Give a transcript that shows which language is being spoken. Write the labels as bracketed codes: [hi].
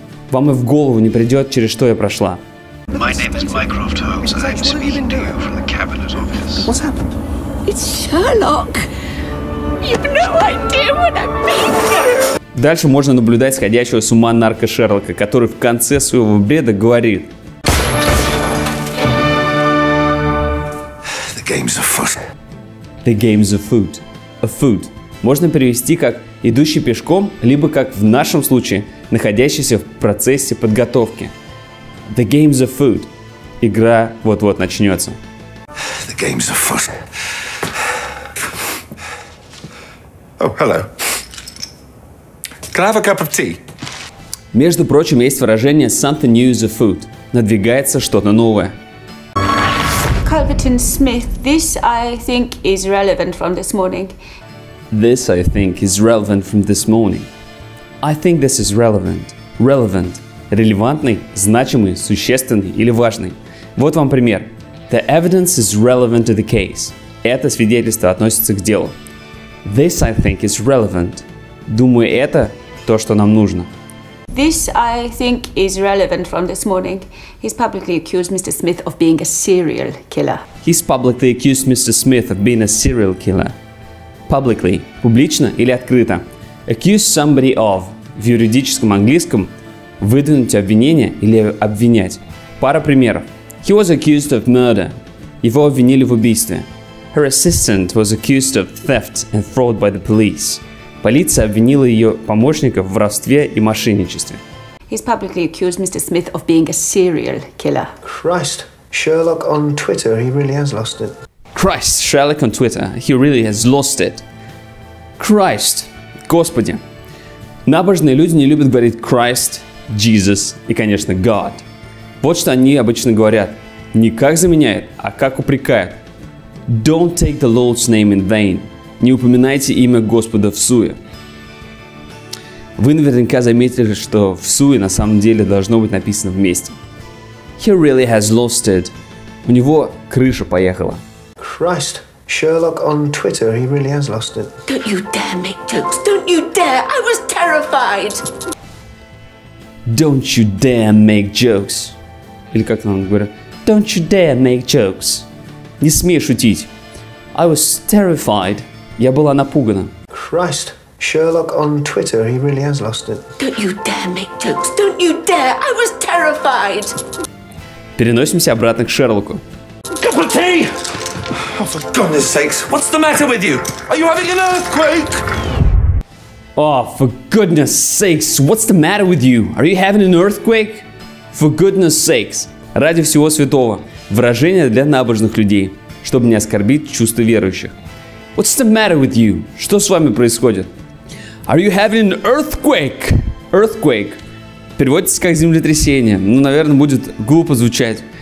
[ru] Вам и в голову не придет, через что я прошла. [en] My name is Mycroft Holmes. I'm speaking to you from the Cabinet Office. What's happened? It's Sherlock. You've no idea what I've been through. [ru] Дальше можно наблюдать сходящего с ума нарко Шерлока, который в конце своего бреда говорит. [en] The game's afoot. The game's afoot. Afoot. [ru] Можно перевести как идущий пешком, либо как в нашем случае, находящийся в процессе подготовки. [en] The game's afoot. [ru] Игра вот-вот начнется. [en] The game's afoot. Oh, hello. Can I have a cup of tea? [ru] Между прочим, есть выражение [en] something new is afoot. [ru] Надвигается что-то новое. [en] Culverton Smith, this I think is relevant from this morning. This I think is relevant from this morning. I think this is relevant. Relevant. [ru] Релевантный, значимый, существенный или важный. Вот вам пример. [en] The evidence is relevant to the case. [ru] Это свидетельство относится к делу. [en] This I think is relevant. [ru] Думаю, это то, что нам нужно. [en] This, I think, is relevant from this morning. He's publicly accused Mr. Smith of being a serial killer. He's publicly accused Mr. Smith of being a serial killer. Publicly. [ru] Публично или открыто. [en] Accuse somebody of. [ru] В юридическом английском выдвинуть обвинение или обвинять. Пара примеров. [en] He was accused of murder. [ru] Его обвинили в убийстве. [en] Her assistant was accused of theft and fraud by the police. [ru] Полиция обвинила ее помощника в воровстве и мошенничестве. [en] He's publicly accused Mr. Smith of being a serial killer. Christ, Sherlock on Twitter, he really has lost it. Christ, Sherlock on Twitter, he really has lost it. [ru] Christ, Господи. Набожные люди не любят говорить Christ, Jesus и, конечно, God. Вот что они обычно говорят. Не как заменяют, а как упрекают. [en] Don't take the Lord's name in vain. [ru] Не упоминайте имя Господа в суе. Вы наверняка заметили, что в суе на самом деле должно быть написано вместе. [en] He really has lost it. [ru] У него крыша поехала. [en] Christ, Sherlock on Twitter, he really has lost it. Don't you dare make jokes, don't you dare, I was terrified. Don't you dare make jokes. [ru] Или как там он говорит? [en] Don't you dare make jokes. [ru] Не смей шутить. [en] I was terrified. [ru] Я была напугана. [en] Christ, Sherlock on Twitter, he really has lost it. Don't you dare make jokes! Don't you dare! I was terrified! [ru] Переносимся обратно к Шерлоку. [en] Cup of tea! Oh, for goodness sakes, what's the matter with you? Are you having an earthquake? Oh, for goodness sakes, what's the matter with you? Are you having an earthquake? For goodness sakes. [ru] Ради всего святого. Выражение для набожных людей, чтобы не оскорбить чувства верующих. [en] What's the matter with you? [ru] Что с вами происходит? [en] Are you having an earthquake? Earthquake. [ru] Переводится как землетрясение. Ну, наверное, будет глупо звучать.